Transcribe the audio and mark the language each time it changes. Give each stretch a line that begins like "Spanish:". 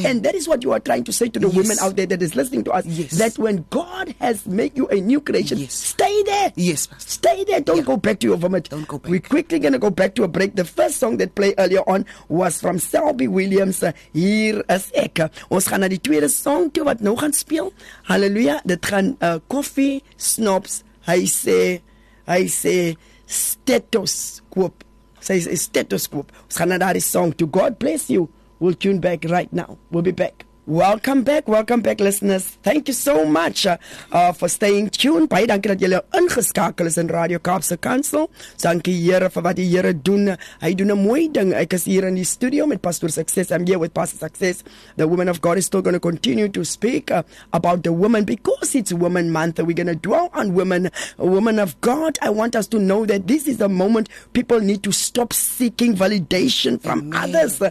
English: And that is what you are trying to say to the women out there that is listening to us. Yes. That when God has made you a new creation, stay there. Yes, Pastor. Stay there. Don't go back to your vomit. Don't go back. We're quickly going to go back to a break. The first song that played earlier on was from Selby Williams, Hier is ek.
Afrikaans: Ons gaan naar die tweede song toe wat nou gaan speel. Hallelujah. Dit gaan Koffie Snobs.
English: I say stethoscope. Says stethoscope. It's another song to God bless you. We'll tune back right now. We'll be back Welcome back. Welcome back, listeners. Thank you so much for staying tuned.
Afrikaans: Baie dankie dat julle ingeskakel is in Radio Kaapse Kansel. Dankie Here vir wat die Here doen. Hy doen 'n mooi ding. Ek is hier in die studio met Pastor Success.
English: I'm here with Pastor Success. The woman of God is still going to continue to speak about the woman because it's Woman Month. We're going to dwell on women. Woman of God, I want us to know that this is the moment people need to stop seeking validation from Amen. Others.